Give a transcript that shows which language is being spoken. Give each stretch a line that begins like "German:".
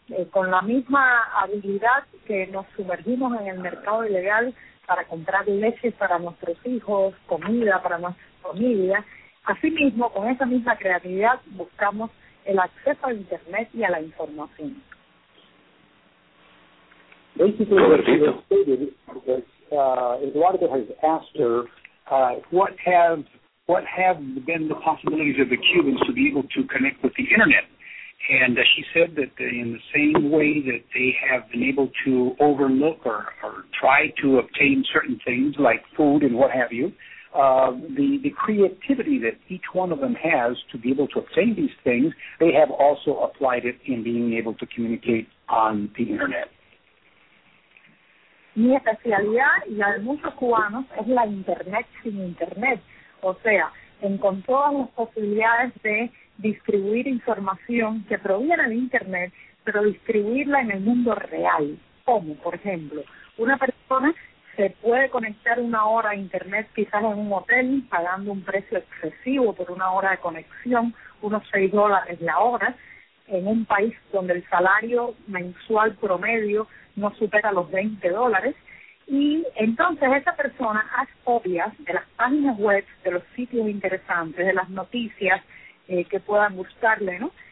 Spanish: con la misma habilidad que nos sumergimos en el mercado ilegal para comprar leche para nuestros hijos, comida para nuestra familia. Asimismo, con esa misma creatividad, buscamos el acceso a Internet y a la información.
English: Eduardo has asked her what have been the possibilities of the Cubans to be able to connect with the Internet. And she said that in the same way that they have been able to overlook or try to obtain certain things like food and what have you, the creativity that each one of them has to be able to obtain these things, they have also applied it in being able to communicate on the Internet.
Spanish: Mi especialidad y la de muchos cubanos es la Internet sin Internet. O sea, con todas las posibilidades de distribuir información que proviene de Internet, pero distribuirla en el mundo real. ¿Cómo? Por ejemplo, una persona se puede conectar una hora a Internet quizás en un hotel pagando un precio excesivo por una hora de conexión, unos $6 la hora, en un país donde el salario mensual promedio no supera los $20, y entonces esa persona hace copias de las páginas web, de los sitios interesantes, de las noticias que puedan gustarle, ¿no?